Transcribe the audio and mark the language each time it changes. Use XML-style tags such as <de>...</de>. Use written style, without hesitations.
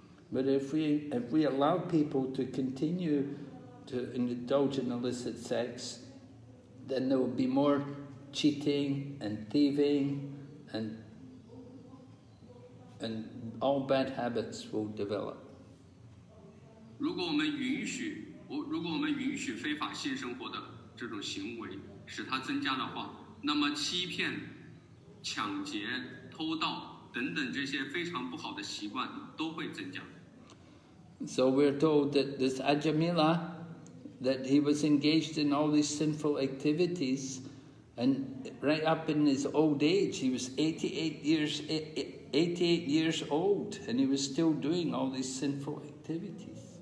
<en>But if we allow people to continue to indulge in illicit sex, then there will be more cheating and thieving and all bad habits will develop.</en> <zh>如果我们允许非法性生活的这种行为，使它增加的话，那么欺骗、抢劫、偷盗等等这些非常不好的习惯都会增加。</zh> <en>So we're told that this Ajamila, that he was engaged in all these sinful activities, and right up in his old age, he was 88 years old, and he was still doing all these sinful activities.</en>